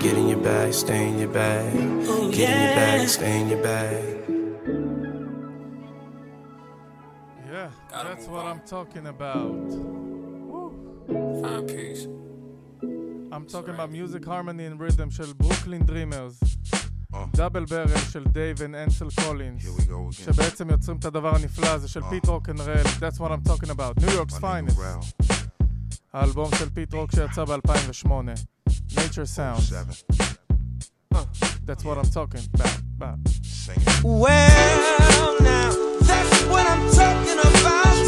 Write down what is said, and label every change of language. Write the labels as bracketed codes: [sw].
[en] Get in your bag, stay in your bag. Get in your bag, stay in your bag. Yeah, that's what I'm talking about. Fine piece. I'm talking about music harmony and rhythm של Brooklyn Dreamers. [he] דאבל ברל של דייב ואנסל קולינס. שבעצם יוצרים את הדבר הנפלא הזה של פיט רוק אנד רל. [en] That's what I'm talking about. New York's finest. [he] האלבום של פיט רוק שיצא ב-2008. [en] Nature Sound. That's what I'm talking about. Well, now, that's what I'm talking about.